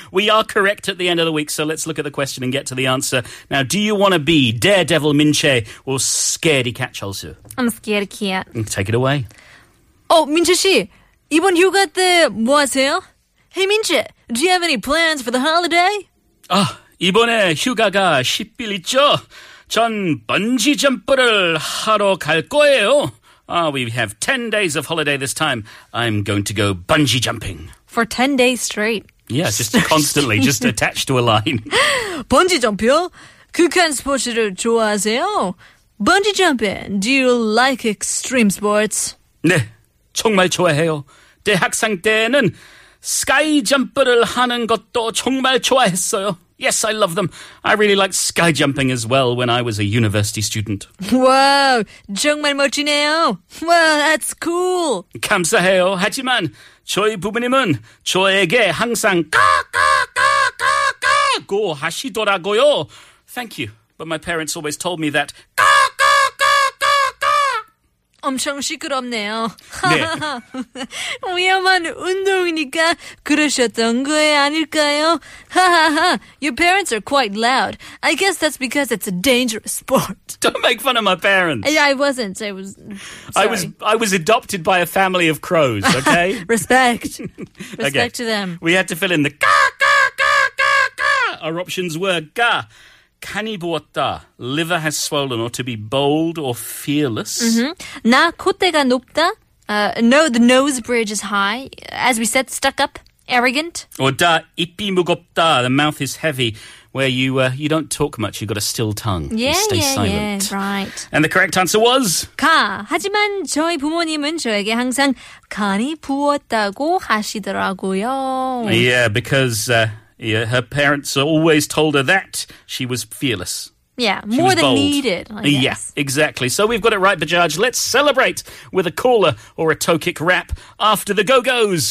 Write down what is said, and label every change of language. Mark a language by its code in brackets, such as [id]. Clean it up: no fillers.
[en] We are correct at the end of the week, so let's look at the question and get to the answer. Now, do you want to be Daredevil Minche or Scaredy Cat Chalsu? I'm Scaredy Cat. Take it away. [ko] Oh, Minche-si, 이번 휴가 때 뭐 하세요? [en] Hey, Minche, do you have any plans for the holiday? [ko] 아, 이번에 휴가가 10일 있죠? 전 번지 점프를 하러 갈 거예요. [en] Ah, we have 10 days of holiday this time. I'm going to go bungee jumping. For 10 days straight. Yeah, just constantly, just attached to a line. [ko] Bungee jump요? 극한 스포츠를 좋아하세요? [en] Bungee jumping, do you like extreme sports? [ko] 네, 정말 좋아해요. 대학생 때는 sky jump를 하는 것도 정말 좋아했어요. [en] Yes, I love them. I really liked sky jumping as well when I was a university student. Wow, [ko] 정말 멋지네요. [en] Well, that's cool. [ko] 감사해요. 하지만 저희 부모님은 저에게 항상 까까까까까 고 하시더라고요. [en] Thank you. But my parents always told me that [ko] 까까까까까 엄청 시끄럽네요. 네. 위험한 운동이니까 그러셨던 거에 아닐까요? [en] Your parents are quite loud. I guess that's because it's a dangerous sport. Don't make fun of my parents. Yeah, I wasn't. I was, sorry. I was adopted by a family of crows, okay? Respect. Respect okay. to them. We had to fill in the ka ka ka ka ka. Our options were ga. [ko] 간이 부었다. [en] Liver has swollen, or to be bold or fearless. Mm-hmm. [ko] 나 콧대가 높다. [en] No, the nose bridge is high. As we said, stuck up. Arrogant. [ko] Or 다 입이 무겁다. [en] The mouth is heavy, where you don't talk much. You've got a still tongue. Yeah, you stay silent. Yeah, right. And the correct answer was? [ko] 가. 하지만 저희 부모님은 저에게 항상 간이 부었다고 하시더라고요. [en] Yeah, because... Yeah, her parents always told her that she was fearless. Yeah, more than needed, I guess. Yeah, exactly. So we've got it right, Bajaj. Let's celebrate with a caller or a Tokic rap after the Go-Go's.